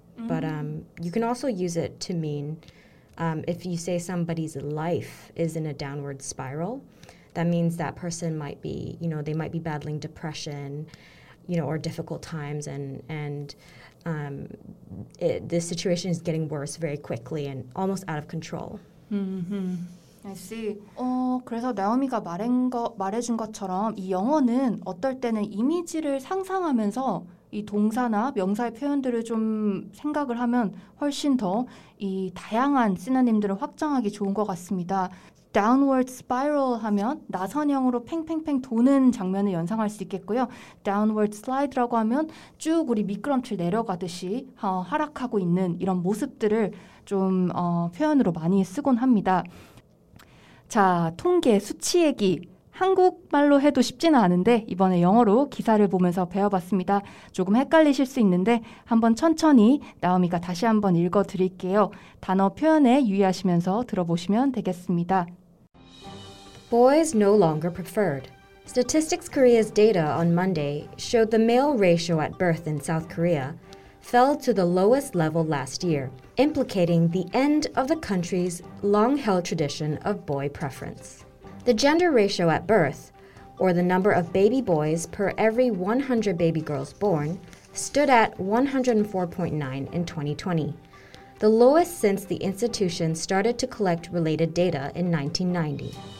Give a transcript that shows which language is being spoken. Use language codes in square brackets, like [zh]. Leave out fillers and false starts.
[en] But you can also use it to mean if you say somebody's life is in a downward spiral, that means that person might be, you know, they might be battling depression, you know, or difficult times, and the situation is getting worse very quickly and almost out of control. Mm-hmm. I see. [ko] 그래서 나오미가 말해준 것처럼 이 영어는 어떨 때는 이미지를 상상하면서 이 동사나 명사의 표현들을 좀 생각을 하면 훨씬 더 이 다양한 시너님들을 확장하기 좋은 것 같습니다. [en] Downward spiral [ko] 하면 나선형으로 팽팽팽 도는 장면을 연상할 수 있겠고요. [en] Downward slide [ko] 라고 하면 쭉 우리 미끄럼틀 내려가듯이 하락하고 있는 이런 모습들을 좀 표현으로 많이 쓰곤 합니다. 자, 통계, 수치 얘기. 한국말로 해도 쉽지는 않은데 이번에 영어로 기사를 보면서 배워봤습니다. 조금 헷갈리실 수 있는데 한번 천천히 나오미가 다시 한번 읽어드릴게요. 단어 표현에 유의하시면서 들어보시면 되겠습니다. [en] Boys no longer preferred. Statistics Korea's data on Monday showed the male ratio at birth in South Korea fell to the lowest level last year, implicating the end of the country's long-held tradition of boy preference. The gender ratio at birth, or the number of baby boys per every 100 baby girls born, stood at 104.9 in 2020, the lowest since the institution started to collect related data in 1990.